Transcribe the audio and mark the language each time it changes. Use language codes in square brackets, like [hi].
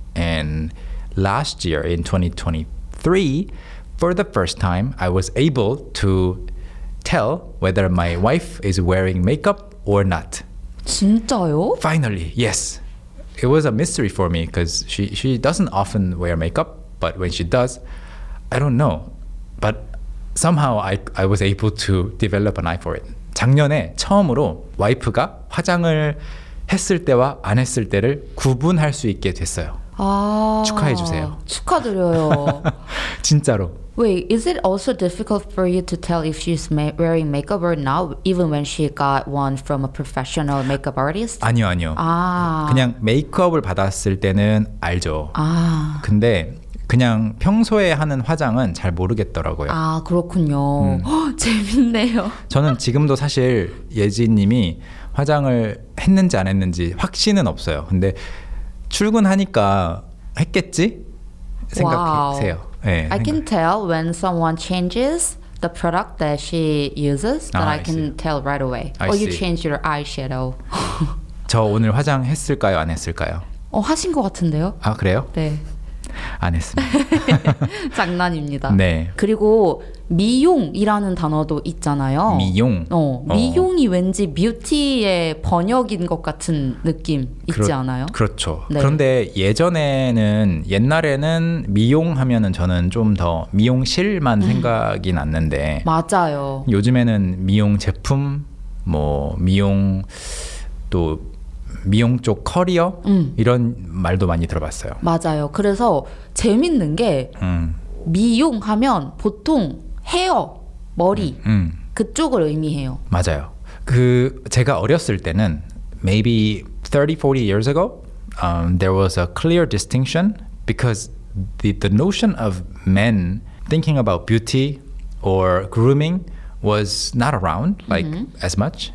[en] And last year, in 2023, for the first time, I was able to tell whether my wife is wearing makeup or not. [ko] 진짜요? [en] Finally, yes. It was a mystery for me because she doesn't often wear makeup, but when she does, I don't know. But somehow I was able to develop an eye for it. [ko] 작년에 처음으로 와이프가 화장을 했을 때와 안 했을 때를 구분할 수 있게 됐어요. 축하해 주세요. 축하드려요. 진짜로. [en] Wait, is it also difficult for you to tell if she's wearing makeup or not, even when she got one from a professional makeup artist? [ko] 아니요, 아니요. 그냥 메이크업을 받았을 때는 알죠. 근데 그냥 평소에 하는 화장은 잘 모르겠더라고요. 그렇군요. 재밌네요. 저는 지금도 사실 예지님이 화장을 했는지 안 했는지 확신은 없어요. 근데 출근하니까 했겠지? 생각하세요. Wow. [en] Yeah, I can tell when someone changes the product that she uses, that I can tell right away. Or you change your eyeshadow. [ko] 저 오늘 화장했을까요, 안 했을까요? 하신 것 같은데요. 그래요? 네. 안 했습니다. 장난입니다. 네. 그리고 미용이라는 단어도 있잖아요. 미용? 미용이 왠지 뷰티의 번역인 것 같은 느낌 있지 않아요? 그렇죠. 네. 그런데 옛날에는 미용 하면은 저는 좀 더 미용실만 생각이 났는데 맞아요. 요즘에는 미용 제품, 뭐 미용 또 미용 쪽 커리어 이런 말도 많이 들어봤어요. 맞아요. 그래서 재밌는 게 미용 하면 보통 헤어, 머리 그쪽을 의미해요. 맞아요. 그 제가 어렸을 때는 [en] maybe 30, 40 years ago there was a clear distinction because the notion of men thinking about beauty or grooming was not around like as much